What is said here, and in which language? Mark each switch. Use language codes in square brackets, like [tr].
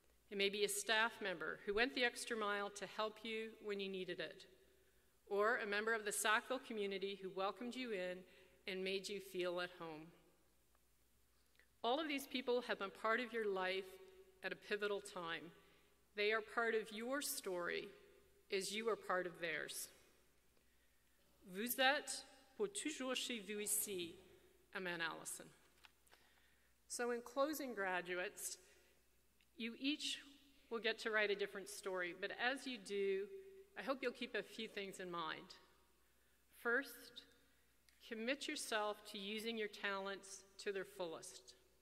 [en] It may be a staff member who went the extra mile to help you when you needed it, or a member of the Sackville community who welcomed you in and made you feel at home. All of these people have been part of your life at a pivotal time. They are part of your story as you are part of theirs. [fr] Vous êtes pour toujours chez vous ici, à Mount Allison. [en] So in closing, graduates, you each will get to write a different story, but as you do, I hope you'll keep a few things in mind. First, commit yourself to using your talents to their fullest.